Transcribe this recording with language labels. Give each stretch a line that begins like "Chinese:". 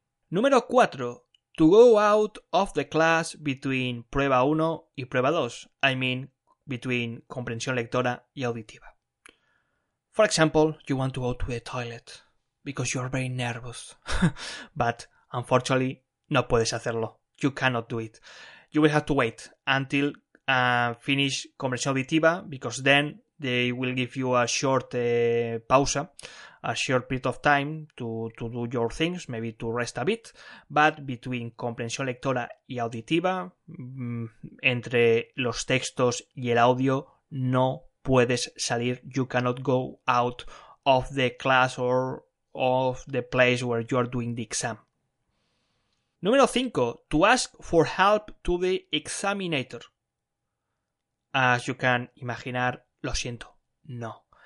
Spanish: Número 4.
English: To go out of the class between
Spanish: prueba 1 y prueba 2.
English: I mean, between
Spanish: comprensión lectora y auditiva.
English: For example, you want to go to the toilet because you're very nervous. But unfortunately,
Spanish: no puedes hacerlo.
English: You cannot do it. You will have to wait until finish
Spanish: comprensión auditiva
English: because then they will give you a short pausa, a short period of time to do your things, maybe to rest a bit. But between
Spanish: comprensión lectora y auditiva, entre los textos y el audio, no puedes salir.
English: You cannot go out of the class or of the place where you are doing the exam.
Spanish: Número 5.
English: To ask for help to the examinator. As you can imaginar,
Spanish: lo siento, no.